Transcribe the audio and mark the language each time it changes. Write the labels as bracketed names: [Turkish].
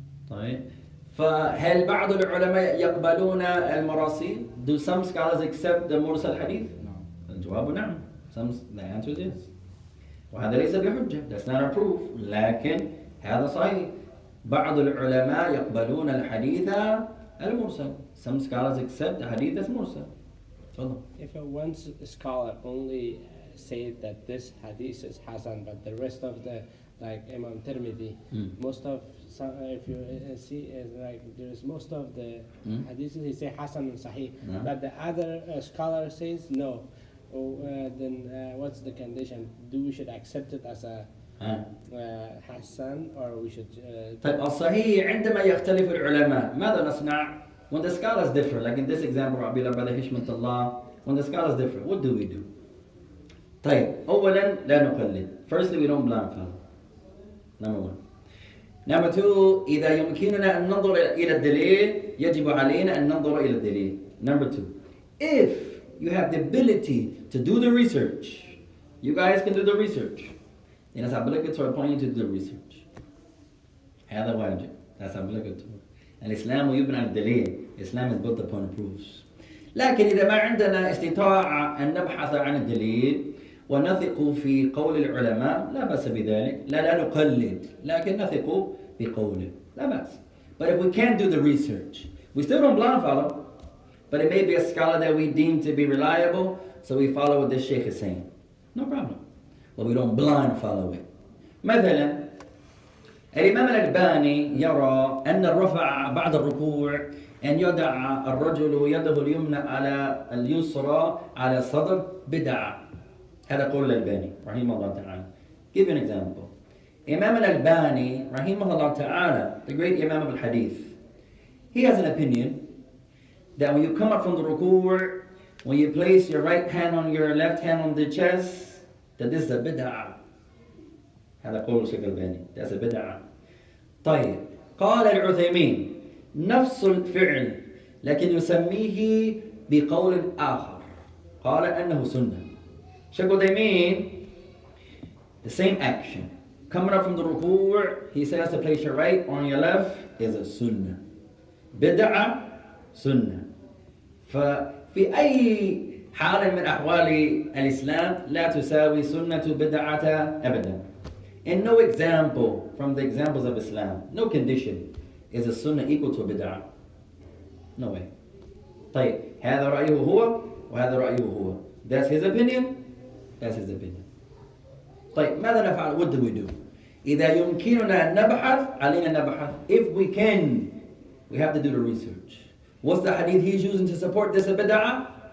[Arabic] طيب فهل بعض العلماء يقبلون المراسيل؟ [English] Do some scholars accept the [Arabic] مرسل حديث؟ نعم. الجواب نعم. [English] The answer is yes. [Arabic] وهذا ليس بحجة. [English] That's not a proof. [Arabic] لكن هذا صحيح. بعض العلماء يقبلون الحديث المرسل. [English] Some scholars accept the حديث المرسل. تفضل. If one scholar only say that this hadith is Hassan, but the rest of the, like Imam Tirmidhi, most of some, if you see, is like there is most of the hadiths he say Hassan and Sahih, but the other scholar says no. What's the condition? Do we should accept it as a Hassan, or we should? Sahih. [Arabic] عندما يختلف العلماء ماذا نصنع? [English] When the scholars differ, like in this example, رأبي الله بذا هشمت الله. When the scholars differ, what do we do? [Arabic] طيب اولا لا نقلد. [English] Firstly we don't blame them. Number one. [Arabic] Number two, اذا يمكننا ان ننظر الى الدليل يجب علينا ان ننظر الى الدليل. [English] Number two, if you have the ability to do the research, you guys can do the research, then it's obligatory upon you to do the research. [Arabic] هذا واجب. [English] That's obligatory. [Arabic] الاسلام يبنى على الدليل. [English] Islam is built upon proofs. [Arabic] لكن اذا ما عندنا استطاعه ان نبحث عن الدليل ونثق في قول العلماء لا بأس بذلك. لا نقلد لكن نثق بقوله لا بأس. [English] But if we can't do the research, we still don't blindfollow. But it may be a scholar that we deem to be reliable, so we follow what this sheikh is saying. No problem. But we don't blindfollow it. [Arabic] مثلا الإمام الألباني يرى أن الرفع بعد الركوع أن يدع الرجل يده اليمنى على اليسرى على صدر بدعة. هذا قول الألباني رحمه الله تعالى. [English] Give an example. [Arabic] إمام الألباني رحمه الله تعالى, [English] the great Imam of Hadith, he has an opinion that when you come up from the ruku', when you place your right hand on your left hand on the chest, that this is a bid'ah. [Arabic] هذا قول الشيخ الألباني. [English] That's a bid'ah. [Arabic] طيب قال العثيمين نفس الفعل لكن يسميه بقول آخر قال أنه سنة. [English] Sheikh Uthaymeen, the same action. Coming up from the ruku', he says to place your right on your left is a sunnah. Bid'ah, sunnah. [Arabic] ففي أي حال من أحوال الإسلام لا تساوي سنة بدعة أبدا. [English] In no example from the examples of Islam, no condition is a sunnah equal to a bid'ah. No way. [Arabic] طيب هذا رأيه هو وهذا رأيه هو. [English] That's his opinion. That's his opinion. [Arabic] طيب ماذا نفعل? [English] What do we do? [Arabic] إذا يمكننا أن نبحث علينا أن نبحث. [English] If we can, we have to do the research. What's the hadith he's using to support this bid'ah?